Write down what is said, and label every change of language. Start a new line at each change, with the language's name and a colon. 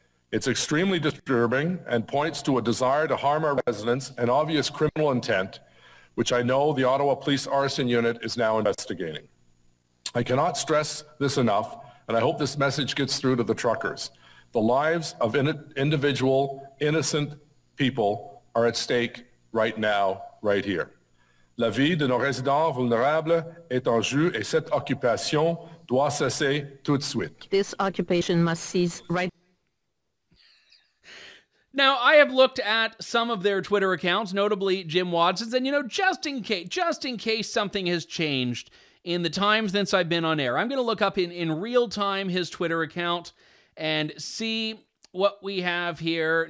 English: It's extremely disturbing and points to a desire to harm our residents and obvious criminal intent, which I know the Ottawa Police Arson Unit is now investigating. I cannot stress this enough, and I hope this message gets through to the truckers. The lives of individual innocent people are at stake right now, right here.
French: La vie de nos résidents vulnérables est en jeu et cette occupation doit cesser tout de suite.
English: This occupation must cease right now. I have looked at some of their Twitter accounts, notably Jim Watson's, and you know, just in case something has changed in the time since I've been on air, I'm going to look up in real time his Twitter account and see what we have here.